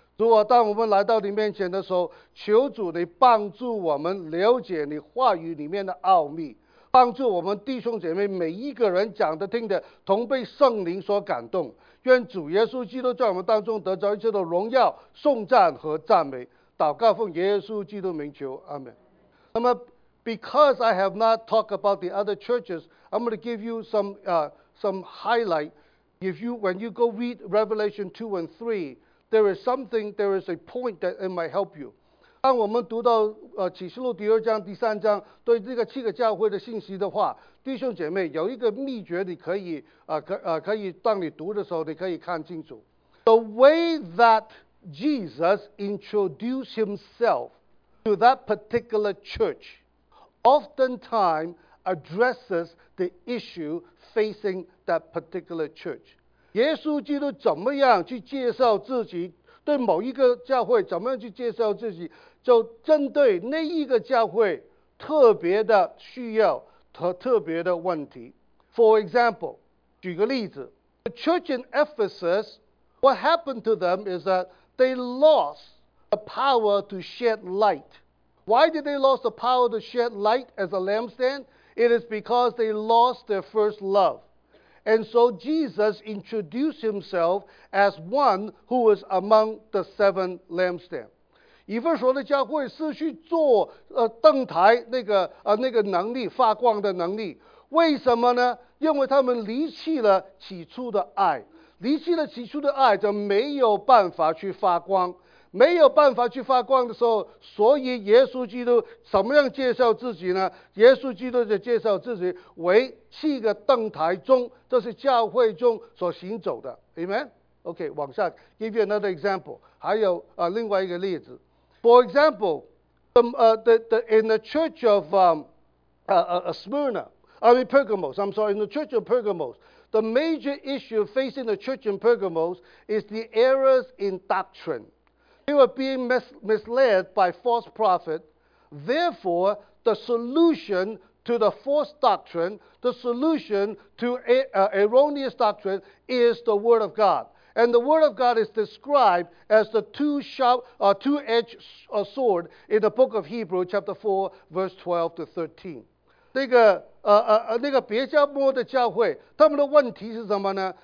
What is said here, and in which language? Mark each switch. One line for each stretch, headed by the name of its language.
Chinese: 主啊，当我们来到你面前的时候，求主你帮助我们了解你话语里面的奥秘，帮助我们弟兄姐妹每一个人讲的听的同被圣灵所感动。愿主耶稣基督在我们当中得着一切的荣耀、颂赞和赞美。祷告奉耶稣基督名求，阿门。那么
English: ，because I have not talked about the other churches, I'm going to give you some highlight. If you when you go read Revelation 2 and 3, there is something, there is a point that it might help you.
Chinese: 当我们读到启示录第二章第三章对这个七个教会的信息的话，弟兄姐妹，有一个秘诀你可以可以当你读的时候你可以看清楚。
English: The way that Jesus introduced himself to that particular church oftentimes addresses the issue facing that particular church.
Chinese: 耶稣基督怎么样去介绍自己，对某一个教会怎么样去介绍自己，就针对那一个教会特别的需要和特别的问题。
English: For example,
Chinese: 举个例子，
English: The church in Ephesus, what happened to them is that they lost the power to shed light. Why did they lose the power to shed light as a lampstand? It is because they lost their first love. And so Jesus introduced himself as one who was among the seven lampstands.
Chinese: 以弗所的教会失去做灯台那个能力，发光的能力，为什么呢？因为他们离弃了起初的爱，离弃了起初的爱就没有办法去发光，没有办法去发光的时候，所以耶稣基督怎么样介绍自己呢？耶稣基督就介绍自己为七个灯台中，这是教会中所行走的。
English: Amen? OK,
Chinese: 往下
English: give you another example,
Chinese: 还有另外一个例子。
English: For example, in the church of Pergamos, I'm sorry, in the church of Pergamos, the major issue facing the church in Pergamos is the errors in doctrine. They were being misled by false prophets. Therefore, the solution to the false doctrine, the solution to erroneous doctrine is the Word of God. And the word of God is described as the two-edged sword in the book of Hebrew, chapter 4, verse 12 to 13.
Chinese: 那个别加摩的教会，他们的问题是什么呢？